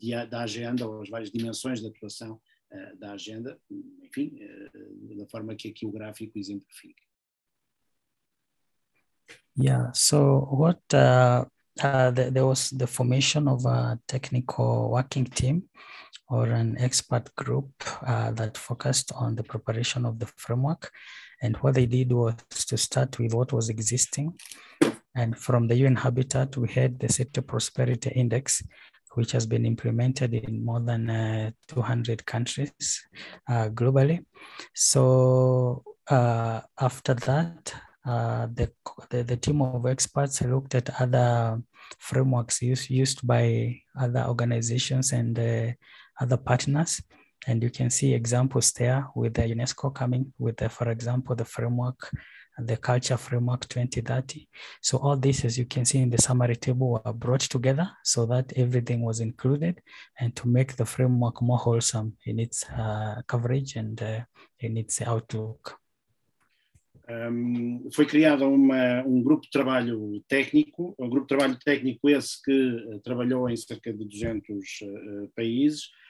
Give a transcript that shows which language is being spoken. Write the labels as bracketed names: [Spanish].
[Portuguese] da agenda, ou as várias dimensões de atuação da agenda, enfim, da forma que aqui o gráfico exemplifica. [English] Yeah, so what there was the formation of a technical working team or an expert group that focused on the preparation of the framework, and what they did was to start with what was existing. And from the UN Habitat, we had the City Prosperity Index, which has been implemented in more than 200 countries globally. So after that, the team of experts looked at other frameworks used by other organizations and other partners. And you can see examples there with the UNESCO coming with, for example, the framework, the Culture Framework 2030. So all this, as you can see in the summary table, were brought together so that everything was included and to make the framework more wholesome in its coverage and in its outlook. [Portuguese] Foi criado um grupo de trabalho técnico, um grupo de trabalho técnico esse que trabalhou em cerca de 200 países,